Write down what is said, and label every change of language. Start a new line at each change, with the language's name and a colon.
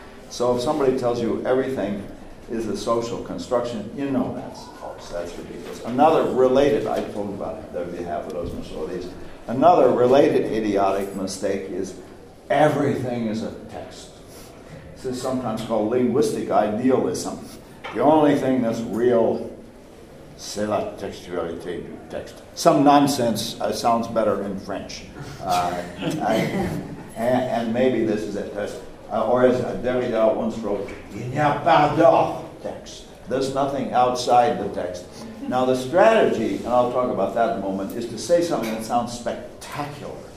English: So if somebody tells you everything is a social construction, you know that's false. That's ridiculous. Another related, I told about it, there'd be half of those facilities. Another related idiotic mistake is everything is a text. This is sometimes called linguistic idealism. The only thing that's real,
French: c'est la textualité du texte.
English: Some nonsense sounds better in French. And maybe this is a text. Or as Derrida once wrote,
French: il n'y a pas de texte.
English: There's nothing outside the text. Now the strategy, and I'll talk about that in a moment, is to say something that sounds spectacular.